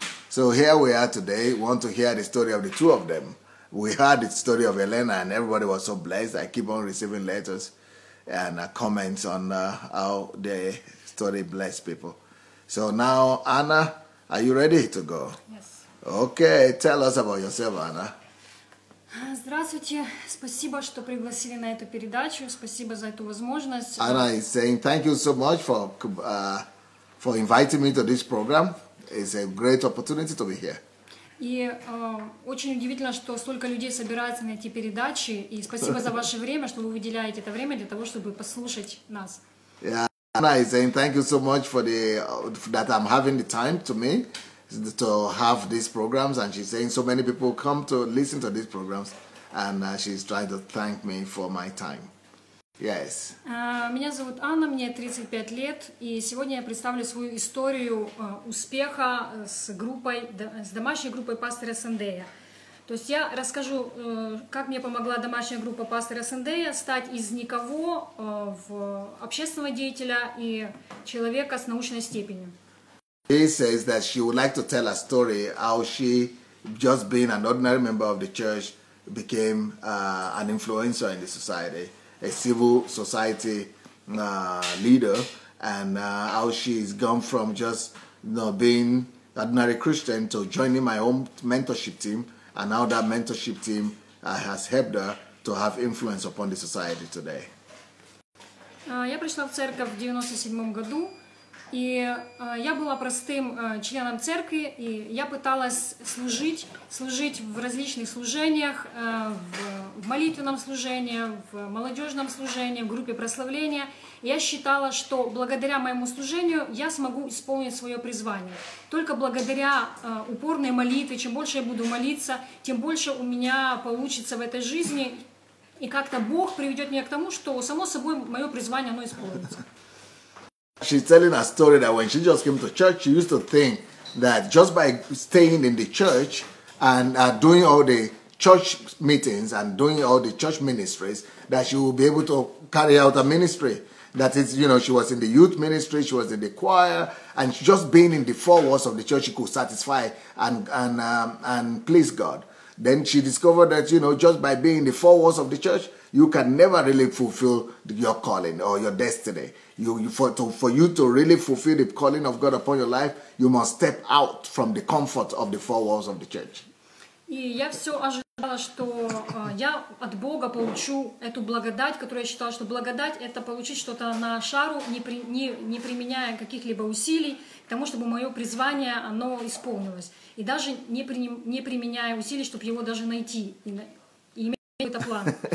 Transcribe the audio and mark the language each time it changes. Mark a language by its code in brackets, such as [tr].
[en] So here we are today, we want to hear the story of the two of them. We heard the story of Elena and everybody was so blessed. I keep on receiving letters and comments on how their story blessed people. So now, Anna, are you ready to go? Yes. Okay, tell us about yourself, Anna. [ru] Здравствуйте, спасибо, что пригласили на эту передачу, спасибо за эту возможность. [en] Anna is saying thank you so much for inviting me to this program. It's a great opportunity to be here. [ru] И очень удивительно, что столько людей собирается на эти передачи. И спасибо за ваше время, что вы выделяете это время для того, чтобы послушать нас. [en] Yeah, Anna is saying thank you so much for that I'm having the time to me to have these programs, and she's saying so many people come to listen to these programs, and she's trying to thank me for my time. Yes. [ru] Меня зовут Анна, мне 35 лет, и сегодня я представлю свою историю успеха с домашней группой пастора Сандея. То есть я расскажу, как мне помогла домашняя группа пастора Сандея стать из никого в общественного деятеля и человека с научной степенью. [en] She says that she would like to tell a story how she, just being an ordinary member of the church, became an influencer in the society. A civil society leader, and how she's gone from just, you know, being an ordinary Christian to joining my own mentorship team, and how that mentorship team has helped her to have influence upon the society today. [ru] Я пришла в церковь в 97 году, и я была простым членом церкви, и я пыталась служить в различных служениях, в молитвенном служении, в молодежном служении, в группе прославления. Я считала, что благодаря моему служению я смогу исполнить свое призвание. Только благодаря упорной молитве, чем больше я буду молиться, тем больше у меня получится в этой жизни, и как-то Бог приведет меня к тому, что само собой мое призвание оно исполнится. She's telling a story that when she just came to church, she used to think that just by staying in the church and doing all the church meetings and doing all the church ministries, that she will be able to carry out a ministry. That is, you know, she was in the youth ministry, she was in the choir, and just being in the four walls of the church, she could satisfy and please God. Then she discovered that, you know, just by being in the four walls of the church, you can never really fulfill your calling or your destiny. For you to really fulfill the calling of God upon your life, you must step out from the comfort of the four walls of the church. И я все ожидала, что я от Бога получу эту благодать, которую я считала, что благодать — это получить что-то на шару, не применяя каких-либо усилий к тому, чтобы мое призвание, оно исполнилось. И даже не применяя усилий, чтобы его даже найти и иметь какой-то план.